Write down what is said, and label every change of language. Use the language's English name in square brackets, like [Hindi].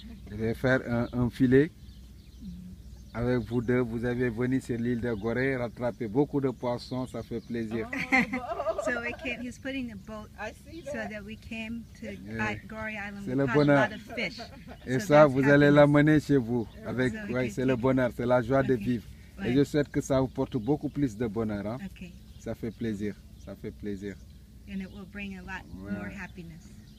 [French] Je vais faire un filet avec vous deux. Vous avez venu sur l'île de Goree, rattraper beaucoup de poissons, ça fait plaisir. Oh. [English] So we came, he's putting the boat so that we came to Goree Island. [French] C'est le bonheur. [English] Fish. [French] Et [English] so [French] ça, vous allez l'amener chez vous. Avec, so ouais, c'est le bonheur, c'est la joie de vivre. [English] Right. [French] Et je souhaite que ça vous porte beaucoup plus de bonheur. Hein. [English] Okay. [French] Ça fait plaisir, ça fait plaisir. [English] And it will bring a lot more happiness.